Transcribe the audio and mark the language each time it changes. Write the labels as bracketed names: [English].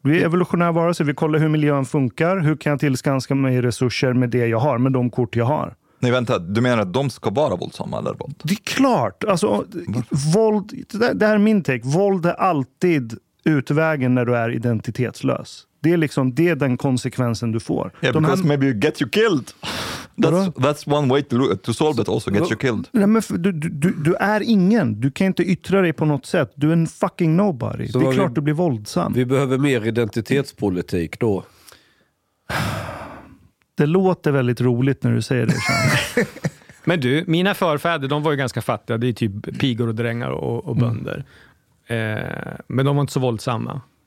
[Swedish] Vi är evolutionära varelser. Vi kollar hur miljön funkar. Hur kan jag tillskanska mig resurser med det jag har, med de kort jag har? Nej, vänta. Du menar att de ska vara våldsamma eller våld? Det är klart. Alltså, våld, det här är min take. Våld är alltid utvägen när du är identitetslös. Det är liksom det är den konsekvensen du får. [English] Yeah, because maybe you get you killed. That's one way to solve it also, get you killed. [Swedish] Nej, men du är ingen. Du kan inte yttra dig på något sätt. Du är en [English] fucking nobody. [Swedish] Så det är klart du blir våldsam. Vi behöver mer identitetspolitik då. Det låter väldigt roligt när du säger det. Men du, mina förfäder, de var ju ganska fattiga. Det är typ pigor och drängar och bönder. Men de var inte så våldsamma.